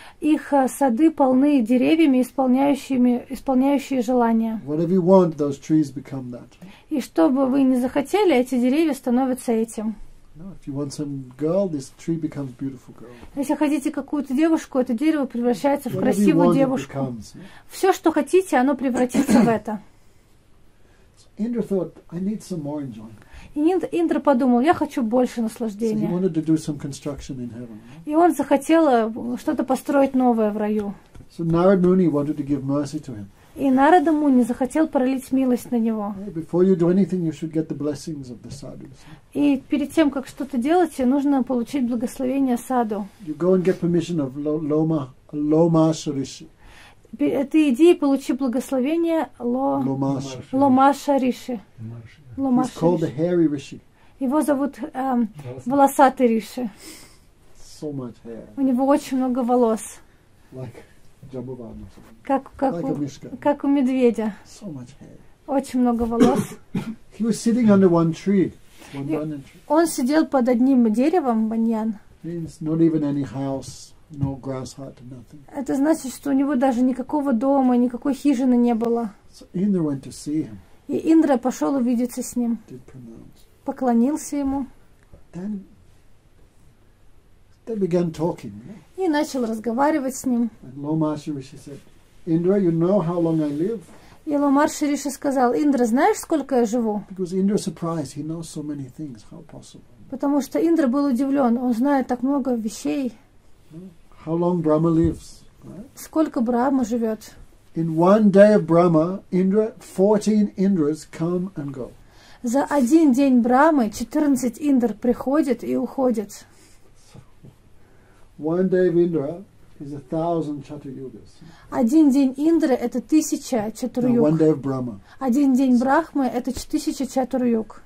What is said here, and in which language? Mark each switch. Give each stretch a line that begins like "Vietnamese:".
Russian: Их сады полны деревьями, исполняющими желания.
English: Whatever you want, those trees become that.
Russian: И что бы вы ни захотели, эти деревья становятся этим.
English: If you want some girl, this tree becomes beautiful girl.
Russian: Если хотите какую-то девушку, это дерево превращается в красивую девушку. Все, что хотите, оно превратится в это.
English: Indra thought, I need some more enjoyment.
Russian: И Индра подумал, я хочу больше наслаждения.
English: So he wanted to do some construction in heaven.
Russian: И он захотел что-то построить новое в раю.
English: So Narad Muni wanted to give mercy to him.
Russian: И Нарада Муни захотел пролить милость на него.
English: Before you do anything, you should get the blessings of the sadhus.
Russian: И перед тем, как что-то делать, нужно получить благословение саду.
English: You go and get permission of Lomasha Rishi.
Russian: Ты иди и получи благословение Ломаша Риши.
English: He's called the hairy Rishi.
Russian: Его зовут волосатый Риши.
English: So much hair.
Russian: У него очень много волос.
English: Like Jambavan.
Russian: Как у медведя.
English: So much hair.
Russian: Очень много волос.
English: He was sitting under one tree.
Russian: Он сидел под одним деревом, баньян.
English: Means not even any house. No grass hut, nothing.
Russian: Это значит, что у него даже никакого дома, никакой хижины не было.
English: So Indra went to see him.
Russian: И Индра пошел увидеться с ним.
English: Did pronounce.
Russian: Поклонился ему.
English: Then they began talking.
Russian: И начал разговаривать с ним.
English: And Lomasha Rishi said, Indra, you know how long I live?
Russian: И Ломарши Риши сказал, Индра, знаешь, сколько я живу?
English: Because Indra surprised, he knows so many things. How possible?
Russian: Потому что Индра был удивлен, он знает так много вещей.
English: How long Brahma lives? Right?
Russian: Сколько Брахма живет?
English: In one day of Brahma, Indra, 14 Indras come and go.
Russian: За один день Брахмы 14 Индр приходят и уходят.
English: So, one day of Indra is 1,000 Chaturyugas.
Russian: Один день Индры это 1000 Чатурюг.
English: One day of Brahma.
Russian: Один день Брахмы это 1000 Чатурюг.